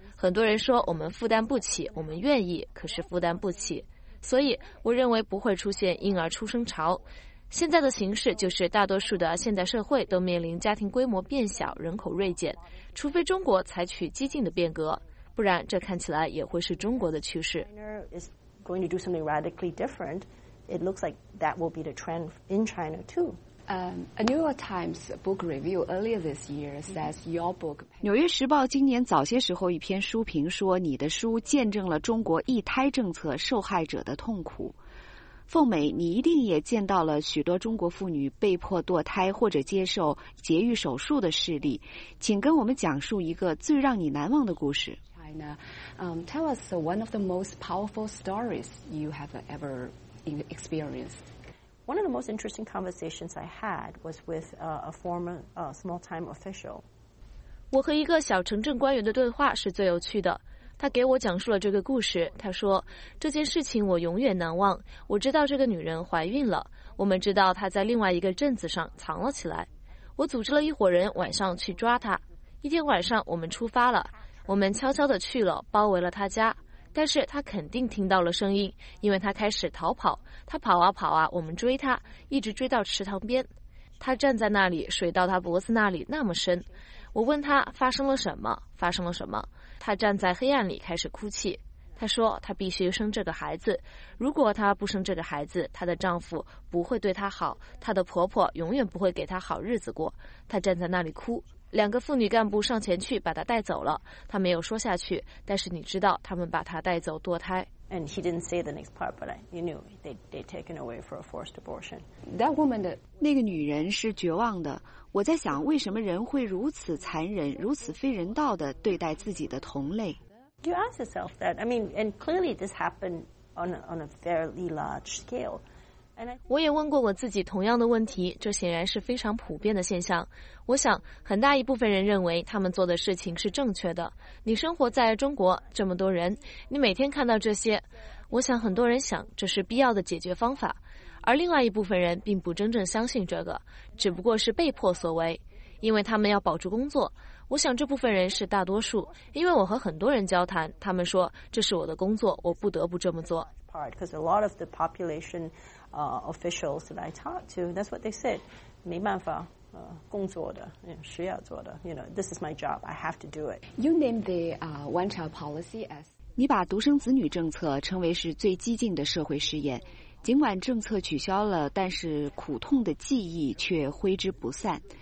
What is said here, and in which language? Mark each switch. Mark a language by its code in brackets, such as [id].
[zh] 很多人说我们负担不起，我们愿意，可是负担不起，所以我认为不会出现婴儿出生潮。现在的形势就是大多数的现代社会都面临家庭规模变小，人口锐减，除非中国采取激进的变革，不然这看起来也会是中国的趋势。 [en] Going to do something radically different, it looks like that will be the trend in China too. A New York Times book review earlier this year says your book. [zh] 纽约时报今年早些时候一篇书评说，你的书见证了中国一胎政策受害者的痛苦。凤美，你一定也见到了许多中国妇女被迫堕胎或者接受节育手术的事例，请跟我们讲述一个最让你难忘的故事。 [en] Tell us one of the most powerful stories you have ever experienced. One of the most interesting conversations I had was with a former small-time official. [zh] 我和一个小城镇官员的对话是最有趣的。他给我讲述了这个故事。他说，这件事情我永远难忘。我知道这个女人怀孕了。我们知道她在另外一个镇子上藏了起来。我组织了一伙人晚上去抓她。一天晚上我们出发了。我们悄悄地去了，包围了他家，但是他肯定听到了声音，因为他开始逃跑。他跑啊跑啊，我们追他，一直追到池塘边。他站在那里，水到他脖子那里那么深。我问他发生了什么，发生了什么？他站在黑暗里开始哭泣。他说他必须生这个孩子，如果他不生这个孩子，他的丈夫不会对他好，他的婆婆永远不会给他好日子过。他站在那里哭。两个妇女干部上前去把她带走了，她没有说下去，但是你知道他们把她带走堕胎。 [en] And he didn't say the next part, but you knew they'd taken away for a forced abortion. That woman, [zh] 那个女人是绝望的。我在想，为什么人会如此残忍、如此非人道地对待自己的同类 [en] ？You ask yourself that. I mean, and clearly this happened on a fairly large scale. [zh] 我也问过我自己同样的问题，这显然是非常普遍的现象。我想很大一部分人认为他们做的事情是正确的。你生活在中国，这么多人，你每天看到这些，我想很多人想这是必要的解决方法，而另外一部分人并不真正相信这个，只不过是被迫所为，因为他们要保住工作。我想这部分人是大多数，因为我和很多人交谈，他们说这是我的工作，我不得不这么做。 [en] Because a lot of the population officials that I talked to, that's what they said. [zh] 没办法，工作的，需要做的。 [en] You know, this is my job. I have to do it. You named the one-child policy as. [zh] 你把独生子女政策称为是最激进的社会试验。尽管政策取消了，但是苦痛的记忆却挥之不散。